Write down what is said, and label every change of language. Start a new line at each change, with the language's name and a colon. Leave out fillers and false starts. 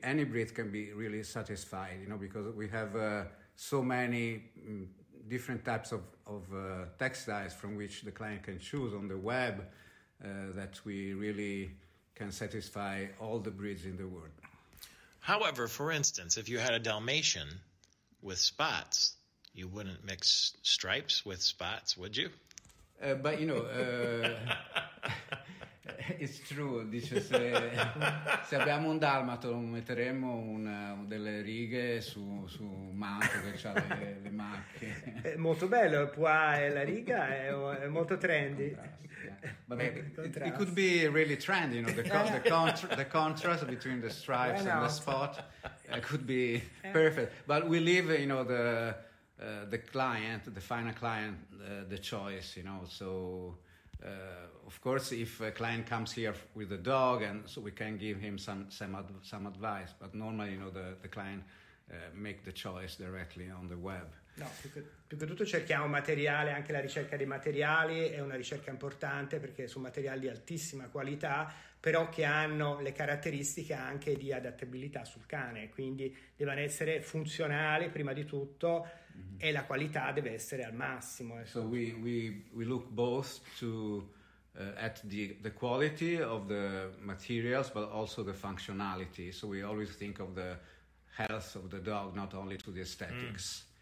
English: Any breed can be really satisfied, you know, because we have so many different types of textiles from which the client can choose on the web that we really can satisfy all the breeds in the world. However, for instance, if you had a Dalmatian with spots, you wouldn't mix stripes with spots, would you? But, you know, it's true.
Italian: Dice, se abbiamo un dalmato, metteremo delle righe su un manto che ha le macchie. Molto bello, la riga è molto trendy.
English: But it could be really trendy, you know, the contrast between the stripes and the spot could be perfect. But we leave, you know, the client, the final client, the choice, you know. So, of course, if a client comes here with a dog, and so we can give him some advice. But normally, you know, the client make the choice directly on the web.
Italian: No, più che tutto cerchiamo materiale, anche la ricerca dei materiali è una ricerca importante, perché sono materiali di altissima qualità, però che hanno le caratteristiche anche di adattabilità sul cane, quindi devono essere funzionali prima di tutto, mm-hmm. e la qualità deve essere al massimo.
English: So we look both to at the quality of the materials, but also the functionality. So we always think of the health of the dog, not only to the aesthetics.